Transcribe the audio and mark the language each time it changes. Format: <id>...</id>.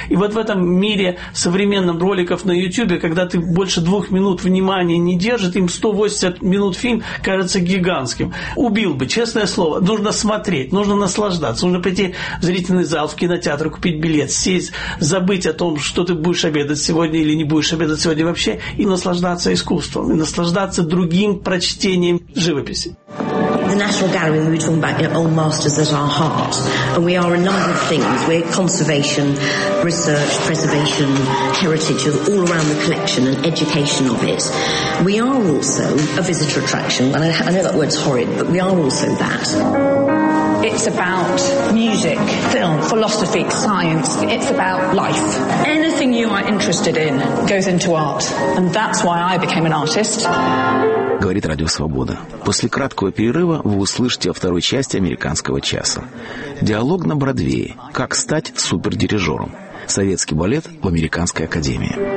<ru>И вот в этом мире современных роликов на YouTube, когда ты больше двух минут внимания не держит, им 180 минут фильм кажется гигантским. Убил бы, честное слово. Нужно смотреть, нужно наслаждаться. Нужно пойти в зрительный зал, в кинотеатр, купить билет, сесть, забыть о том, что ты будешь обедать сегодня или не будешь обедать сегодня вообще, и наслаждаться искусством, и наслаждаться другим прочтением живописи.</ru> <en>The National Gallery, we were talking about, you know, old masters at our heart. And we are a number of things. We're conservation, research, preservation, heritage, all around the collection and education of it. We are also a visitor attraction. And I know that word's horrid, but we are also that. It's about music, film, philosophy, science. It's about life. Anything you are interested in goes into art. And that's why I became an artist.</en> <ru>Говорит Радио Свобода. После краткого перерыва вы услышите о второй части «Американского часа». Диалог на Бродвее. Как стать супердирижером. Советский балет в Американской академии.</ru>